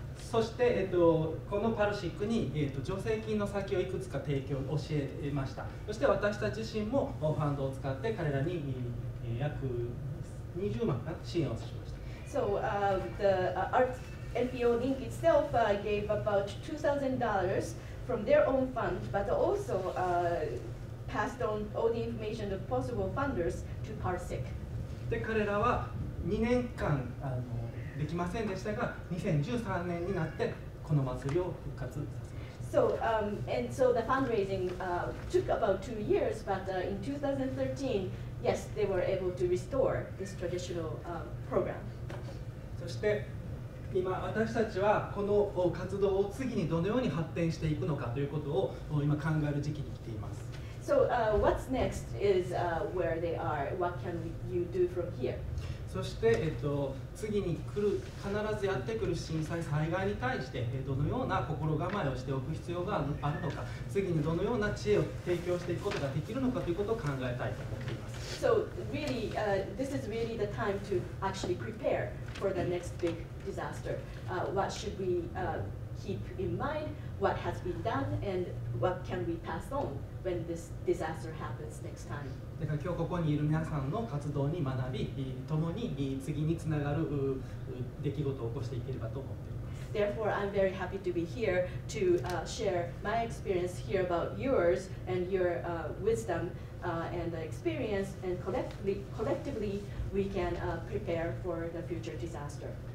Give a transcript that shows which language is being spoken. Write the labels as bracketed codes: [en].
[ja] そして、このパルシックに、助成金の先をいくつか提供を教えました。そして私たち自身もファンドを使って彼らに、約20万か支援をしました。 [en] So, the, Art NPO Link itself, gave about $2,000 from their own fund, but also, passed on all the information of possible funders to Parsik. [ja] で、彼らは2年間、できませんでしたが、2013年になってこの祭りを復活させました。 [en] So, and so the fundraising, took about 2 years, but, in 2013,Yes, they were able to restore this traditional, program. [ja] そして今私たちはこの活動を次にどのように発展していくのかということを今考える時期に来ています。 [en] So, what's next is, where they are. What can you do from here? [ja] そして、次に来る必ずやってくる震災災害に対してどのような心構えをしておく必要があるのか、次にどのような知恵を提供していくことができるのかということを考えたいと思っています。 [en] So really, this is really the time to actually prepare for the next big disaster. What should we, keep in mind? What has been done, and what can we pass on when this disaster happens next time? [ja] だから今日ここにいる皆さんの活動に学び、共に次につながる出来事を起こしていければと思っています。 [en] Therefore, I'm very happy to be here to, share my experience here about yours and your, wisdom. And the experience, and collectively, we can, prepare for the future disaster.